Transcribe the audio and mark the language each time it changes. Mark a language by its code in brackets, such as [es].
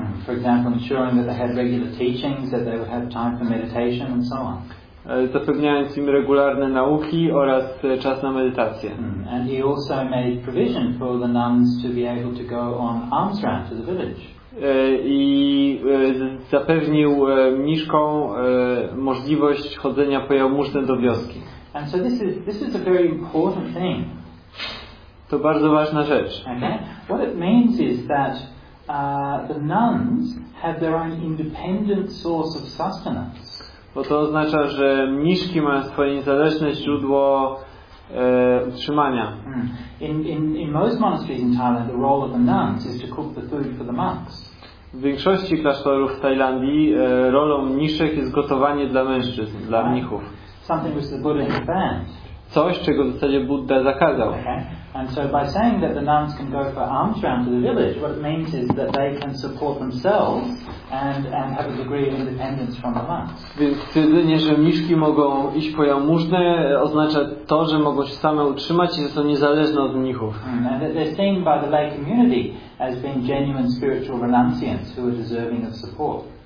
[en] For example, ensuring that they had regular teachings, that they would have time for meditation and so on. [pl] Zapewniając im regularne nauki oraz czas na medytację. [en] And he also made provision for the nuns to be able to go on alms round to the village. [pl] I zapewnił mniszką możliwość chodzenia po jałmużnę do wioski. [en] And so this is a very important thing. [pl] To bardzo ważna rzecz. Okay? [en] What it means is that the nuns have their own independent source of sustenance. [pl] Bo to oznacza, że mniszki mają swoje niezależne źródło utrzymania. [en] In most monasteries in Thailand, the role of the nuns is to cook the food for the monks. [pl] W większości klasztorów w Tajlandii rolą mniszek jest gotowanie dla mężczyzn, dla mnichów. [en] Something which the Buddha banned. [pl] Coś, czego w zasadzie Buddha zakazał. Okay. [en] And so by saying that the nuns can go for alms round to the village, what it means is that they can support themselves and have a degree of independence from the monks. [pl] Więc stwierdzenie, że mniszki mogą iść po jałmużnę, oznacza to, że mogą się same utrzymać i są niezależne od mnichów. [en] And they're seen by the lay community as being genuine spiritual renunciants who are deserving of support.